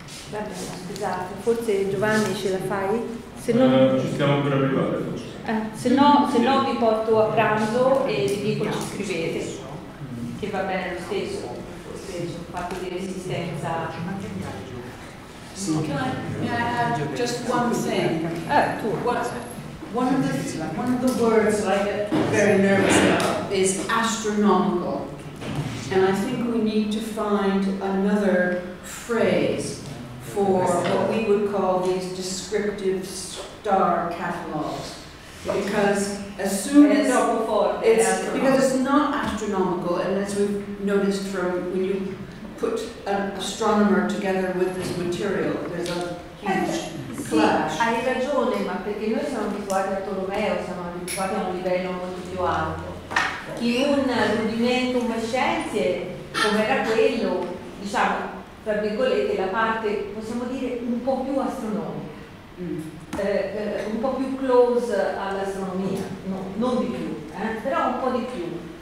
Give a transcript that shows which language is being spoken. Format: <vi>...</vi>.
<it>Vabbè, scusate, forse Giovanni ce la fai? Se no, ci stiamo per arrivare forse. Se no vi porto a pranzo e vi dico ci scrivete, che va bene lo stesso, forse un fatto di resistenza.</it> <en>One of the words that I get very nervous about is astronomical, and I think we need to find another phrase for what we would call these descriptive star catalogs, because as soon as it's not astronomical, and as we've noticed from when you put an astronomer together with this material, there's a huge clash.</en> <it>Sì, hai ragione, ma perché noi siamo abituati a Tolomeo, siamo abituati a un livello molto più alto. Che un rudimentum scienziae, come era quello, diciamo, tra virgolette, la parte, possiamo dire, un po' più astronomica, un po' più close all'astronomia, no, non di più, però un po' di più.</it>